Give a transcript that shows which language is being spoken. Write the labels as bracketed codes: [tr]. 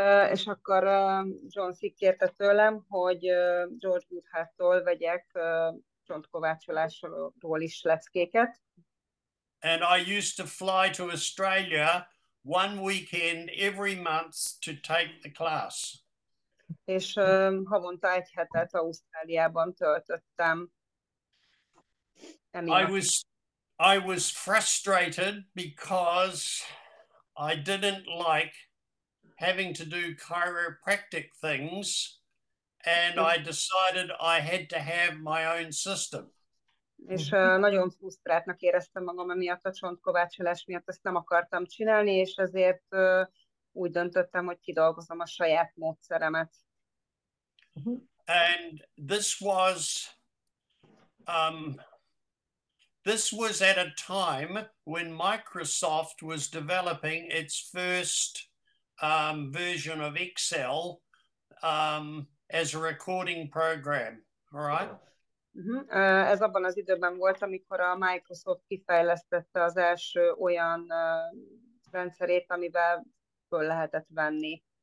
[hu] És akkor John Thee kérte tőlem, hogy George Goodhart-tól vegyek csontkovácsolásról is leckéket. [en] And I used to fly to Australia one weekend every month to take the class. [hu] És havonta egy hetet Ausztráliában töltöttem. [en] I was frustrated because I didn't like having to do chiropractic things, and I decided I had to have my own system. [hu] És nagyon frusztráltnak éreztem magam emiatt, a csontkovácsolás miatt ezt nem akartam csinálni, és ezért úgy döntöttem, hogy kidolgozom a saját módszeremet. [en] And this was at a time when Microsoft was developing its first version of Excel as a recording program, right? [hu] Ez abban az időben volt, amikor a Microsoft kifejlesztette az első olyan rendszerét, amivel föl lehetett venni.